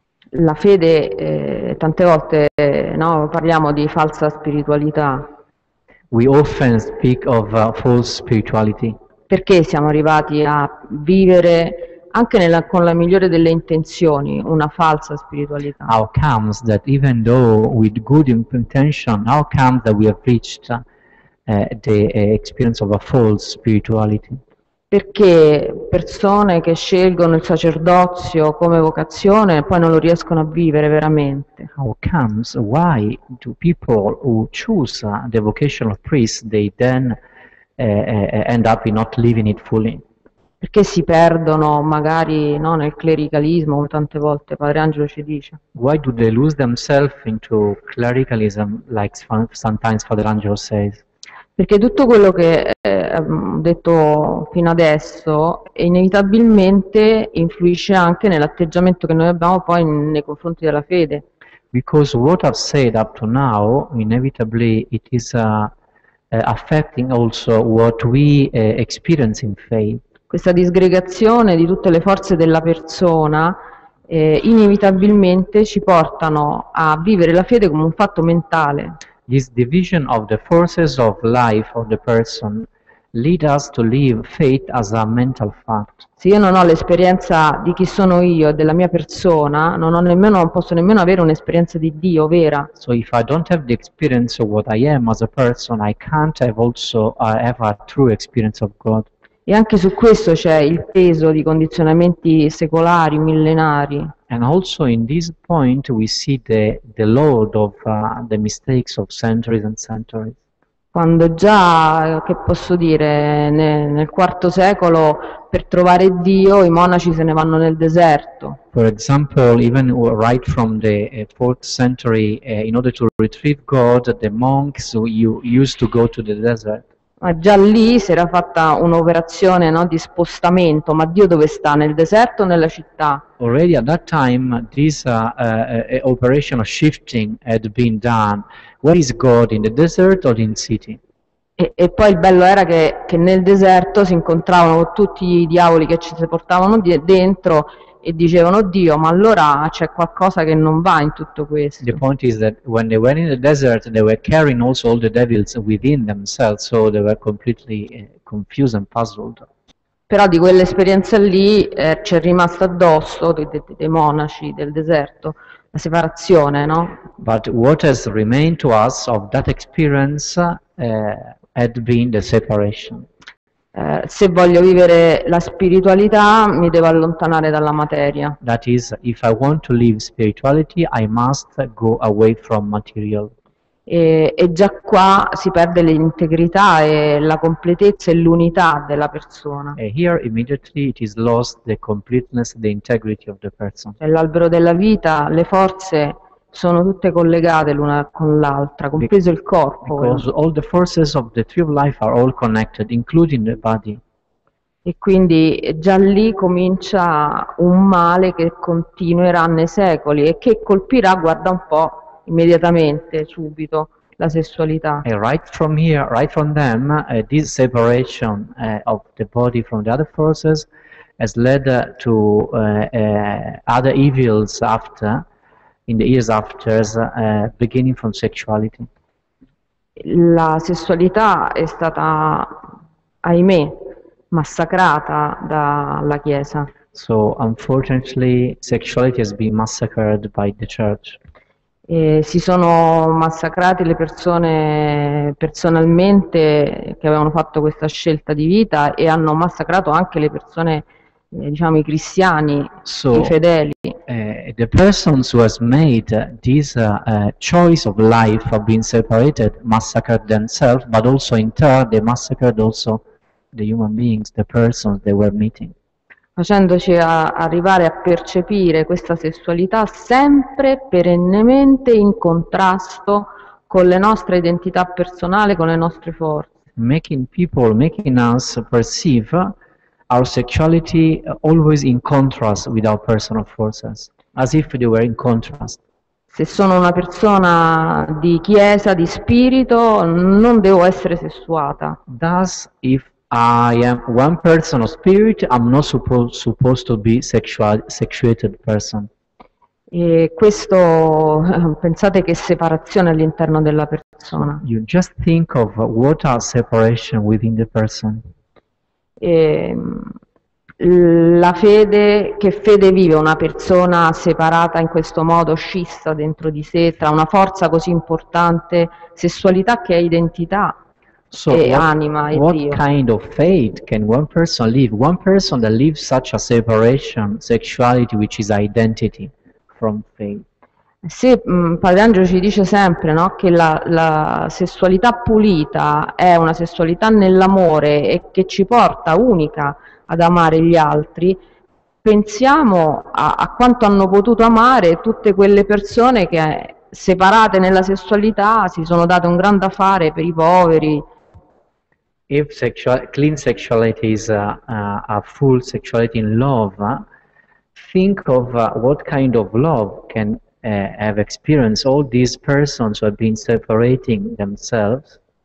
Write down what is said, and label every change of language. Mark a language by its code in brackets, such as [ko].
[it] La fede, tante volte, no, parliamo di falsa spiritualità. [en] We often speak of false spirituality. [it] Perché siamo arrivati a vivere, anche con la migliore delle intenzioni, una falsa spiritualità? [en] How comes that even though with good intention, how comes that we have reached the experience of a false spirituality? [it] Perché persone che scelgono il sacerdozio come vocazione poi non lo riescono a vivere veramente? [en] How comes, why do people who choose the vocation of priest they then end up in not living it fully? [it] Perché si perdono magari, no, nel clericalismo, come tante volte Padre Angelo ci dice? [en] Why do they lose themselves into clericalism like sometimes Father Angelo says? [it] Perché tutto quello che ho detto fino adesso inevitabilmente influisce anche nell'atteggiamento che noi abbiamo poi nei confronti della fede. [en] Because what I've said up to now, inevitably it is affecting also what we experience in faith. [it] Questa disgregazione di tutte le forze della persona inevitabilmente ci portano a vivere la fede come un fatto mentale. [en] This division of the forces of life of the person lead us to live faith as a mental fact. [it] Se io non ho l'esperienza di chi sono io e della mia persona, non posso nemmeno avere un'esperienza di Dio vera. [en] So if I don't have the experience of what I am as a person, I can't have also have a true experience of God. [it] E anche su questo c'è il peso di condizionamenti secolari, millenari. [en] And also in this point we see the load of the mistakes of centuries and centuries. [it] quando già, che posso dire, nel IV secolo, per trovare Dio, i monaci se ne vanno nel deserto. [en] For example, even right from the 4th century, in order to retrieve God, the monks used to go to the desert. [it] Ma già lì si era fatta un'operazione, no, di spostamento. Ma Dio dove sta? Nel deserto o nella città? [en] Already at that time, this operation of shifting had been done. Where is God, in the desert or in city? [it] E poi il bello era che nel deserto si incontravano con tutti i diavoli che ci si portavano dentro e dicevano: Dio, ma allora c'è qualcosa che non va in tutto questo. [en] The point is that when they were in the desert, they were carrying also all the devils within themselves, so they were completely confused and puzzled. [it] Però di quell'esperienza lì ci è rimasta addosso, dei monaci del deserto, la separazione, no? [en] But what has remained to us of that experience had been the separation. [it] Se voglio vivere la spiritualità, mi devo allontanare dalla materia. [en] That is, if I want to live spirituality, I must go away from material. [it] E già qua si perde l'integrità e la completezza e l'unità della persona. [en] And here immediately it is lost the completeness, the integrity of the person. [it] L'albero della vita, le forze sono tutte collegate l'una con l'altra, compreso il corpo. [en] Because all the forces of the tree of life are all connected, including the body. [it] E quindi già lì comincia un male che continuerà nei secoli e che colpirà, guarda un po', immediatamente, subito, la sessualità. [en] And right from here, right from them, this separation of the body from the other forces has led to other evils after. In the years after, beginning from sexuality. [it] La sessualità è stata, ahimè, massacrata dalla Chiesa. [en] So, unfortunately, sexuality has been massacred by the Church. [it] E si sono massacrati le persone personalmente che avevano fatto questa scelta di vita e hanno massacrato anche le persone, diciamo, i cristiani, [en] so, [it] i fedeli. [en] The persons who has made this choice of life have been separated, massacred themselves, but also in turn they massacred also the human beings, the persons they were meeting. [it] Facendoci arrivare a percepire questa sessualità sempre perennemente in contrasto con le nostre identità personali, con le nostre forze. [en] Making people, making us perceive our sexuality always in contrast with our personal forces, as if they were in contrast. [it] Se sono una persona di chiesa, di spirito, non devo essere sessuata. [en] Thus, if I am one person of spirit, I'm not supposed to be sexuated person. [it] E questo, pensate che separazione all'interno della persona. [en] You just think of what are separation within the person. [it] E la fede, che fede vive una persona separata in questo modo, scissa dentro di sé, tra una forza così importante, sessualità che è identità, [en] so [it] e [en] what, [it] anima e [en] what [it] Dio. [en] What kind of faith can one person live? One person that lives such a separation, sexuality, which is identity from faith. [it] Sì, Padre Angelo ci dice sempre, no, che la sessualità pulita è una sessualità nell'amore e che ci porta unica ad amare gli altri. Pensiamo a quanto hanno potuto amare tutte quelle persone che, separate nella sessualità, si sono date un grande affare per i poveri. [en] If clean sexuality is a full sexuality in love, think of what kind of love can have experienced all these persons who have been separating themselves.